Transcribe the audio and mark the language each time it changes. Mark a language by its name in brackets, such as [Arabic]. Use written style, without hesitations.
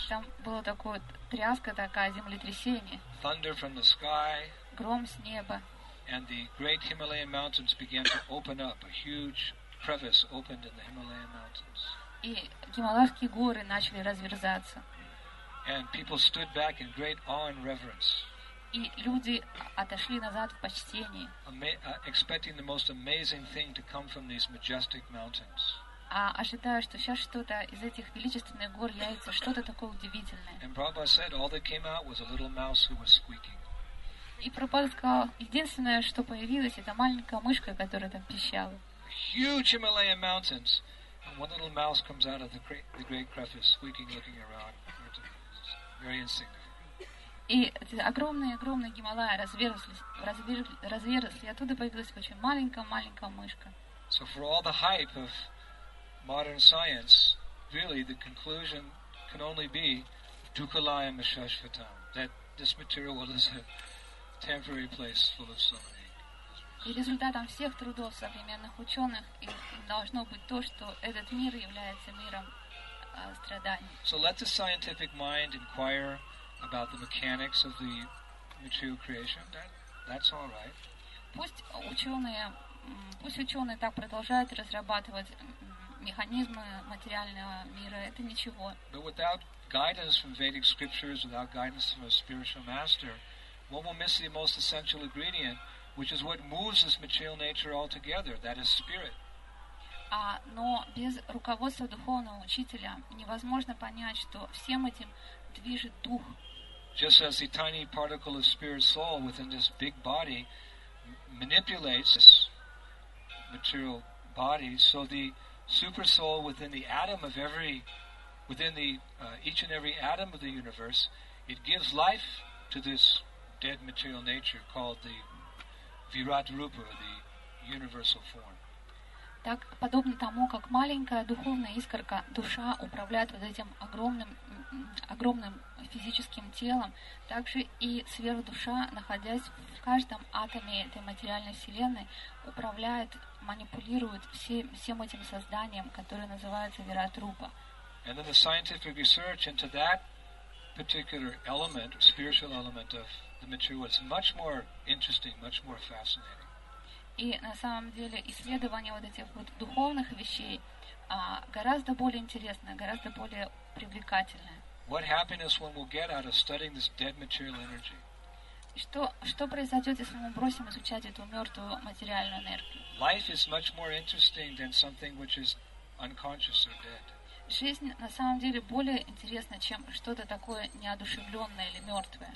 [Russian] Там было такое тряска такая, землетрясение. [English] Thunder from the sky. [Russian] Гром с неба. [English] And the great Himalayan mountains began to open up. A huge crevice opened in the Himalayan mountains. [Russian] И Гималайские горы начали разверзаться. [English] And people stood back in great awe and reverence. [Russian] И люди отошли назад в почтении. [English] Expecting the most amazing thing to come from these majestic mountains. [Russian] Ожидая, что сейчас что-то из этих величественных гор явится, что-то такое удивительное. [English] And Prabhupada said all that came out was a little mouse who was squeaking. [Russian] И Прабхупада сказал, единственное, что появилось, это маленькая мышка, которая там пищала. [English] Huge Himalayan mountains, and one little mouse comes out of the great crevice, squeaking, looking around. Very insignificant. [Russian] И огромные Гималаи разверзлись, и оттуда появилась очень маленькая мышка. [English] So for all the hype of modern science, really the conclusion can only be [Sanskrit] dukkhalayam ashashvatam, [English] that this material world is a temporary place full of suffering. [Russian] И результатом всех трудов современных ученых должно быть то, что этот мир является миром страданий. [English] So let the scientific mind inquire about the mechanics of the material creation. That's all right. [Russian] Пусть ученые так продолжают разрабатывать механизмы материального мира. Это ничего. [English] But without guidance from Vedic scriptures, without guidance from a spiritual master, one will miss the most essential ingredient, which is what moves this material nature altogether. That is spirit. [Russian] Но без руководства духовного учителя невозможно понять, что всем этим движет дух. [English] Just as the tiny particle of spirit soul within this big body manipulates this material body, so the super soul within the atom of every, within the each and every atom of the universe, it gives life to this dead material nature called the Virat Rupa, the universal form. [Russian] Так, подобно тому, как маленькая духовная искорка, душа управляет вот этим огромным физическим телом, так же и сверхдуша, находясь в каждом атоме этой материальной вселенной, управляет, манипулирует всем этим созданием, которое называется Вират Рупа. [English] And then the scientific research into that particular element, spiritual element of the material is much more interesting, much more fascinating. [Russian] И на самом деле исследование вот этих вот духовных вещей гораздо более интересное, гораздо более привлекательное. [English] What happiness one will get out of studying this dead material energy? [Russian] Что произойдет, если мы бросим изучать эту мертвую материальную энергию? [English] Life is much more interesting than something which is unconscious or dead. [Russian] Жизнь на самом деле более интересна, чем что-то такое неодушевленное или мертвое.